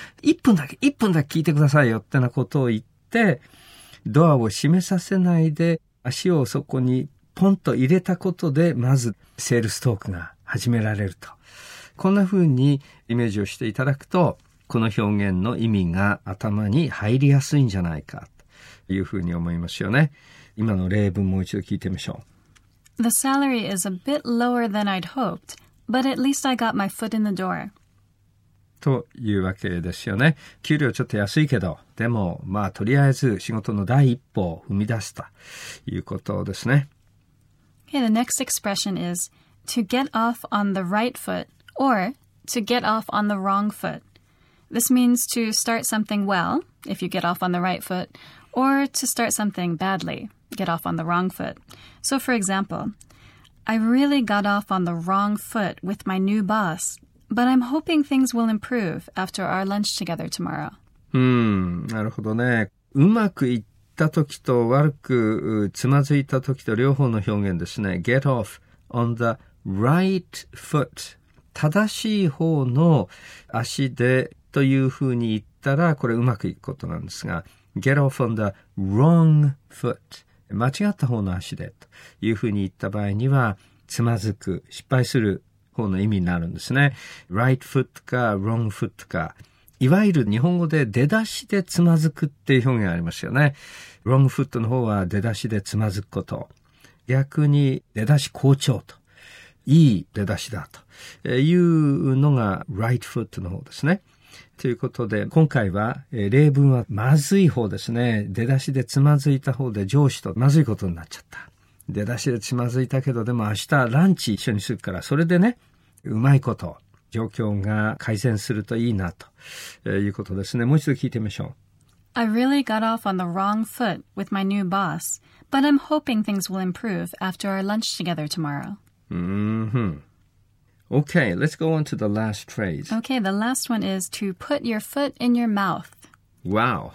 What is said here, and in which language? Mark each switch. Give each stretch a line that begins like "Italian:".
Japanese: 1分だけ聞いてくださいよってなことを言って、ドアを閉めさせないで足をそこにポンと入れたことで、まずセールストークが始められると。こんな風にイメージをしていただくと、この表現の意味が頭に入りやすいんじゃないかというふうに思いますよね。今の例文もう一度聞いてみましょう。
English: The salary is a bit lower than I'd hoped, but at least I got my foot in the door.
Japanese: というわけですよね。給料ちょっと安いけど、でもまあとりあえず仕事の第一歩を踏み出すということですね。
English: Okay, the next expression is to get off on the right foot or to get off on the wrong foot. This means to start something well, if you get off on the right foot, or to start something badly, get off on the wrong foot. So, for example, I really got off on the wrong foot with my new boss, but I'm hoping things will improve after our lunch together tomorrow.
Japanese: なるほどね。うまくいったときと悪くつまずいたときと両方の表現ですね。
English: Get off on the right foot.
Japanese: 正しい方の足でというふうに言ったら、これうまくいくことなんですが、
English: get off on the wrong foot、
Japanese: 間違った方の足でというふうに言った場合には、つまずく、失敗する方の意味になるんですね。 right foot か wrong foot か、いわゆる日本語で出だしでつまずくっていう表現がありますよね。 wrong foot の方は出だしでつまずくこと。逆に出だし好調と。いい出だしだというのが right foot の方ですね。ということで今回は例文はまずい方ですね。出だしでつまずいた方で上司とまずいことになっちゃった。出だしでつまずいたけど、でも明日ランチ一緒にするから、それでね、うまいこと状況が改善するといいなということですね。もう一度聞いてみましょう。
English: I really got off on the wrong foot with my new boss, but I'm hoping things will improve after our lunch together tomorrow. Okay, let's go on to the last phrase. Okay, the last one is to put your foot in your mouth. Wow.